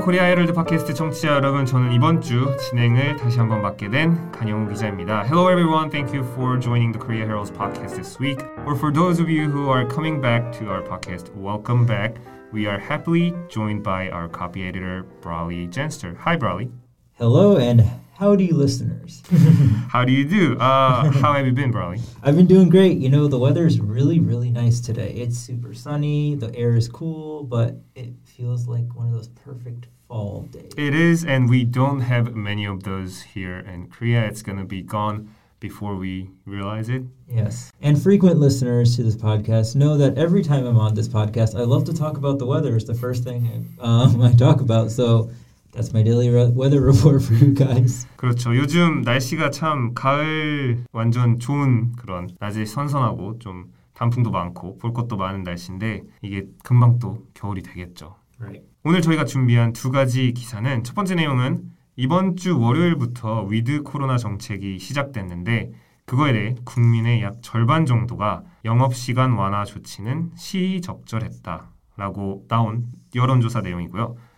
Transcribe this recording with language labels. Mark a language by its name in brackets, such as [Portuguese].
[Korean] 코리아 헤럴드 팟캐스트 청취자 여러분, 저는 이번 주 진행을 다시 한번 맡게 된 강영우 기자입니다. [English] Hello everyone. Thank you for joining the Korea Herald's podcast this week. Or for those of you who are coming back to our podcast, welcome back. We are happily joined by our copy editor, Brawley Jenster. Hi, Brawley. Hello and howdy, listeners. How do you do? How have you been, Brawley? I've been doing great. You know, the weather is really, really nice today. It's super sunny, the air is cool, but it feels like one of those perfect fall days. It is, and we don't have many of those here in Korea. It's going to be gone before we realize it. Yes. And frequent listeners to this podcast know that every time I'm on this podcast, I love to talk about the weather. It's the first thing I talk about, so that's my daily weather report for you guys. [Korean] 그렇죠. 요즘 날씨가 참 가을 완전 좋은 그런 낮에 선선하고 좀 단풍도 많고 볼 것도 많은 날씨인데 이게 금방 또 겨울이 되겠죠. [English] Right. [Korean] 오늘 저희가 준비한 두 가지 기사는 첫 번째 내용은 이번 주 월요일부터 위드 코로나 정책이 시작됐는데 그거에 대해 국민의 약 절반 정도가 영업시간 완화 조치는 시의적절했다라고 나온 여론조사 내용이고요.